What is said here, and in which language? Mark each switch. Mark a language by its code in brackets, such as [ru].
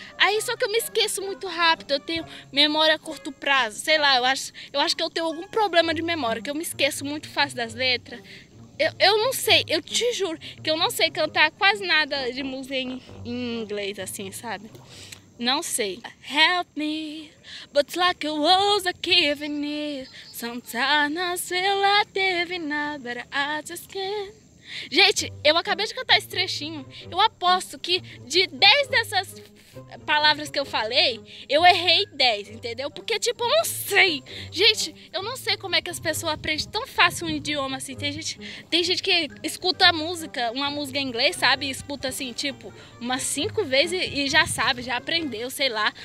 [pt] Aí só que eu me esqueço muito rápido, eu tenho memória a curto prazo. Sei lá, eu acho que eu tenho algum problema de memória, que eu me esqueço muito fácil das letras. Eu não sei, eu te juro que eu não sei cantar quase nada de música em inglês, assim, sabe? Não sei. [en] Help me, but it's like it was a given. Sometimes I feel I gave enough, but I just can't. [pt] Gente, eu acabei de cantar esse trechinho. Eu aposto que de 10 dessas palavras que eu falei, eu errei 10, entendeu? Porque, tipo, eu não sei. Gente, eu não sei como é que as pessoas aprendem tão fácil um idioma assim. Tem gente que escuta uma música em inglês, sabe? E escuta assim, tipo, umas 5 vezes e já sabe, já aprendeu, sei lá.